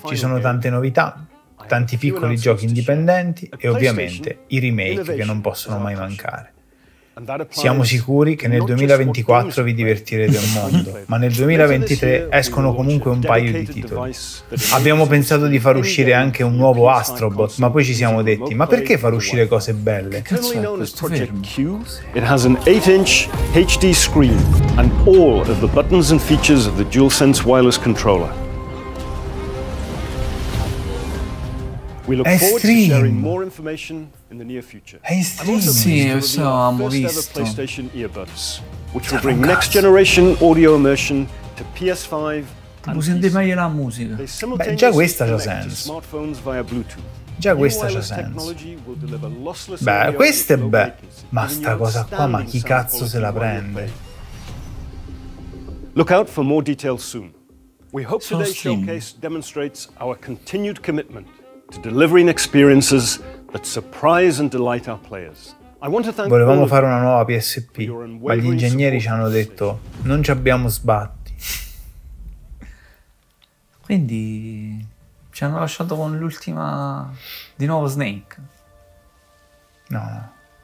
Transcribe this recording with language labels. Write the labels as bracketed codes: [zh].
[it] Ci sono tante novità, tanti piccoli giochi indipendenti e ovviamente i remake che non possono mai mancare. Siamo sicuri che nel 2024 vi divertirete un mondo, ma nel 2023 escono comunque un paio di titoli. Abbiamo pensato di far uscire anche un nuovo Astrobot, ma poi ci siamo detti, ma perché far uscire cose belle? Che cazzo è questo fermo? [en] It has an 8-inch HD screen and all of the buttons and features of the DualSense wireless controller. [it] È stream! È stream! Sì, questo l'avevamo visto. Earbuds, [en] which will bring next generation audio immersion to PS5. [it] Non sente meglio la musica. Beh, già questa c'ha senso. Via già questa c'ha senso. Beh, questa è beh. Ma sta cosa qua, ma chi cazzo se la prende? [en] Look out for more details soon. We hope so today's stream. Showcase demonstrates our continued commitment to delivering experiences that surprise and delight our players. I want to thank [it] volevamo fare una nuova PSP, ma gli ingegneri ci hanno detto non ci abbiamo sbatti. Quindi ci hanno lasciato con l'ultima di nuovo Snake. No.